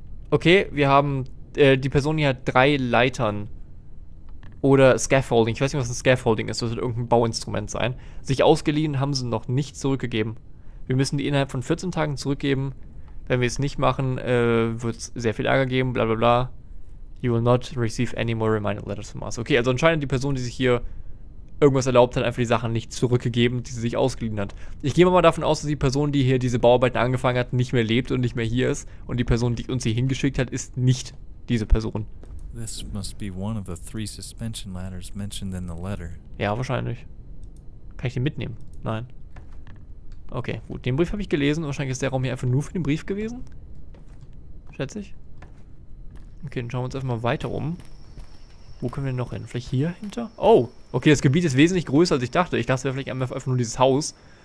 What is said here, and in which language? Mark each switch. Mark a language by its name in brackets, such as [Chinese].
[German] Okay, wir haben. Die Person hier hat drei Leitern. Oder Scaffolding. Ich weiß nicht, was ein Scaffolding ist. Das wird irgendein Bauinstrument sein. Sich ausgeliehen, haben sie noch nicht zurückgegeben. Wir müssen die innerhalb von 14 Tagen zurückgeben. Wenn wir es nicht machen, wird es sehr viel Ärger geben. Blablabla. Bla bla. [English] You will not receive any more reminder letters from us. [German] Okay, also anscheinend die Person, die sich hier irgendwas erlaubt hat, einfach die Sachen nicht zurückgegeben, die sie sich ausgeliehen hat. Ich gehe mal davon aus, dass die Person, die hier diese Bauarbeiten angefangen hat, nicht mehr lebt und nicht mehr hier ist. Und die Person, die uns hier hingeschickt hat, ist nicht diese Person. [English] This must be one of the three suspension ladders mentioned in the letter. [German] Ja, wahrscheinlich. Kann ich den mitnehmen? Nein. Okay, gut. Den Brief habe ich gelesen. Wahrscheinlich ist der Raum hier einfach nur für den Brief gewesen. Schätze ich. Okay, dann schauen wir uns einfach mal weiter um. Wo können wir denn noch hin? Vielleicht hier hinter? Oh, okay, das Gebiet ist wesentlich größer, als ich dachte. Ich dachte, es wäre vielleicht einfach nur dieses Haus.